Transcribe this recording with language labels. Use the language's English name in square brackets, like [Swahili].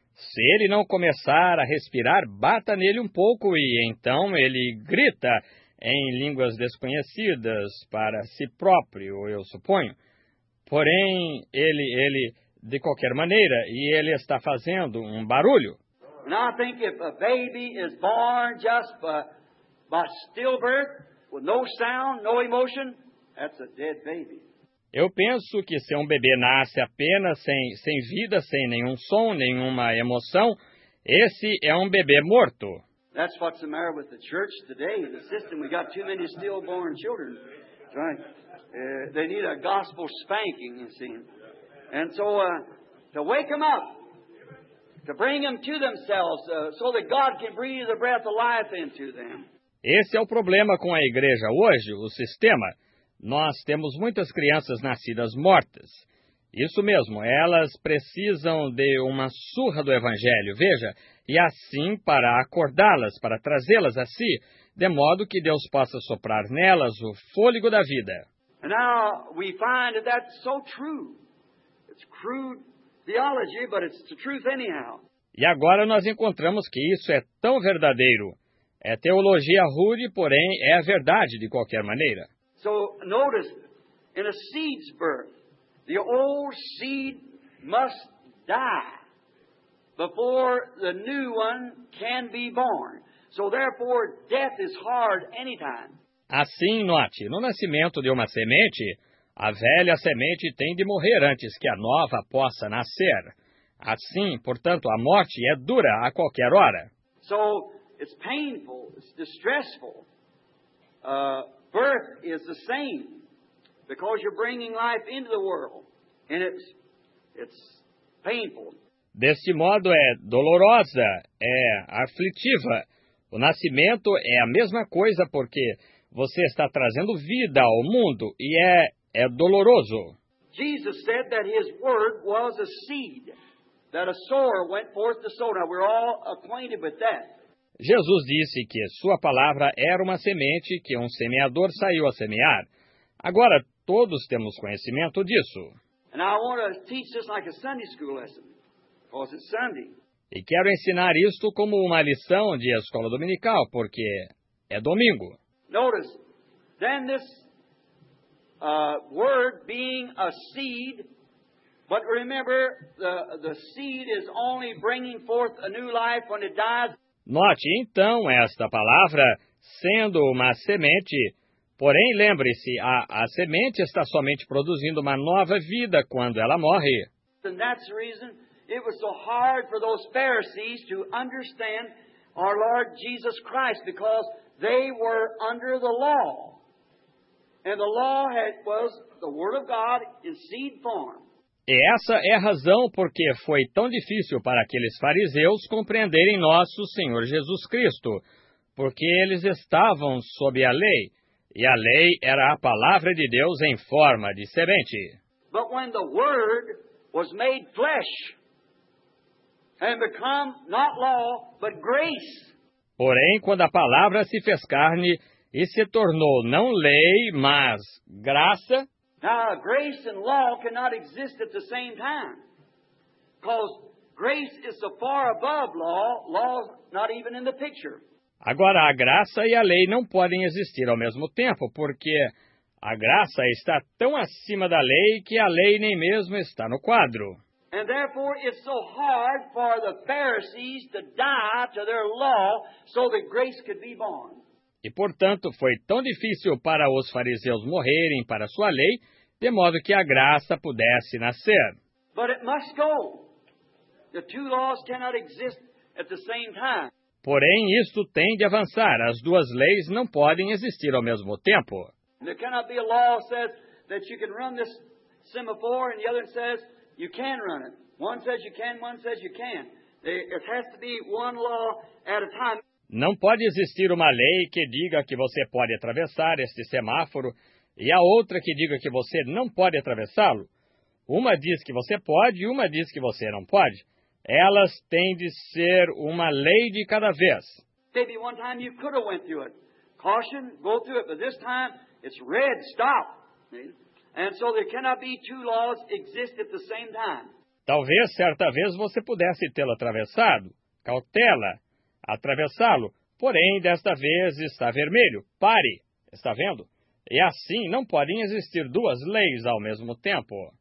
[Portuguese] Se ele não começar a respirar, bata nele pouco e então ele grita em línguas desconhecidas para si próprio, eu suponho. Porém, ele de qualquer maneira, e ele está fazendo barulho. [English] And I think if a baby is born just by stillbirth, with no sound, no emotion, that's a dead baby. [Portuguese] Eu penso que se bebê nasce apenas sem vida, sem nenhum som, nenhuma emoção, esse é bebê morto. [English] That's what's the matter with the church today, the system. We got too many stillborn children. Right? They need a gospel spanking, you see. And so to wake them up, to bring them to themselves, so that God can breathe the breath of life into them. [Portuguese] Esse é o problema com a igreja hoje, o sistema. Nós temos muitas crianças nascidas mortas. Isso mesmo, elas precisam de uma surra do Evangelho, veja, e assim para acordá-las, para trazê-las a si, de modo que Deus possa soprar nelas o fôlego da vida. [English] And now we find that that's so true. It's crude theology, but it's the truth anyhow. [Portuguese] E agora nós encontramos que isso é tão verdadeiro. É teologia rude, porém é a verdade de qualquer maneira. [English] So notice, in a seed's birth, the old seed must die before the new one can be born. So therefore, death is hard anytime. [Portuguese] Assim, note, no nascimento de uma semente, a velha semente tem de morrer antes que a nova possa nascer. Assim, portanto, a morte é dura a qualquer hora. [English] So it's painful, it's distressful, birth is the same, because you're bringing life into the world, and it's painful. [Portuguese] Deste modo é dolorosa, é aflitiva. O nascimento é a mesma coisa, porque você está trazendo vida ao mundo e é doloroso. [English] Jesus said that his word was a seed, that a sower went forth to sow. Now we're all acquainted with that. [Portuguese] Jesus disse que sua palavra era uma semente que um semeador saiu a semear. Agora todos temos conhecimento disso. [English] And I want to teach this like a Sunday school lesson, because it's Sunday. [Portuguese] E quero ensinar isto como uma lição de escola dominical, porque é domingo. [English] Notice, then this word being a seed, but remember, the seed is only bringing forth a new life when it dies. [Portuguese] Note, então, esta palavra sendo uma semente, porém, lembre-se, a semente está somente produzindo uma nova vida quando ela morre. [English] And that's the reason. It was so hard for those Pharisees to understand our Lord Jesus Christ, because they were under the law. And the law was the Word of God in seed form. [Portuguese] E essa é a razão porque foi tão difícil para aqueles fariseus compreenderem nosso Senhor Jesus Cristo, porque eles estavam sob a lei, e a lei era a palavra de Deus em forma de semente. [English] But when the Word was made flesh, and become not law, but grace. [Portuguese] Porém, quando a palavra se fez carne e se tornou não lei, mas graça. [English] Now, grace and law cannot exist at the same time. Because grace is so far above law, law's not even in the picture. [Portuguese] Agora, a graça e a lei não podem existir ao mesmo tempo, porque a graça está tão acima da lei que a lei nem mesmo está no quadro. [English] And therefore, it's so hard for the Pharisees to die to their law so that grace could be born. [Portuguese] E, portanto, foi tão difícil para os fariseus morrerem para sua lei, de modo que a graça pudesse nascer. [English] But it must go. The two laws cannot exist at the same time. [Portuguese] Porém, isto tem de avançar. As duas leis não podem existir ao mesmo tempo. [English] There cannot be a law that says that you can run this semaphore and the other says... You can run it. One says you can, one says you can. It has to be one law at a time. [Portuguese] Não pode existir uma lei que diga que você pode atravessar este semáforo e a outra que diga que você não pode atravessá-lo. Uma diz que você pode e uma diz que você não pode. Elas têm de ser uma lei de cada vez. [English] Maybe one time you could have went through it. Caution, go through it, but this time it's red, stop. And so there cannot be two laws exist at the same time. [Portuguese] Talvez certa vez você pudesse tê-lo atravessado. Cautela, atravessá-lo. Porém, desta vez está vermelho. Pare. Está vendo? E assim não podem existir duas leis ao mesmo tempo.